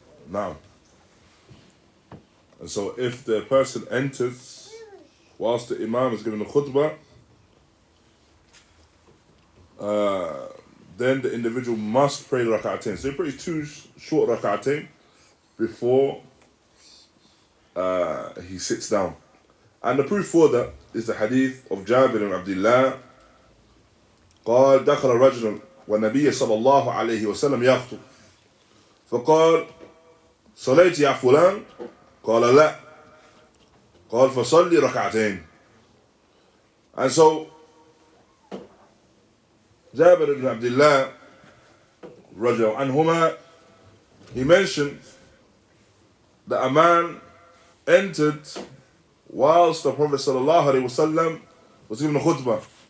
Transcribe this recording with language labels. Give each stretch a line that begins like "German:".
English: Now, and so if the person enters whilst the imam is giving the khutbah, then the individual must pray the raka'atain. So they pray two short raka'atain before he sits down. And the proof for that is the hadith of Jabir ibn Abdullah.
Arabic: قال دخل الرجل والنبي صلى الله عليه وسلم يخطب فقال صليت يا فلان قال لا قال فصلي ركعتين.
English: And so Jabir ibn Abdullah رضي الله عنهما, he mentioned that a man entered whilst the Prophet sallallahu alaihi wasallam was giving a khutbah.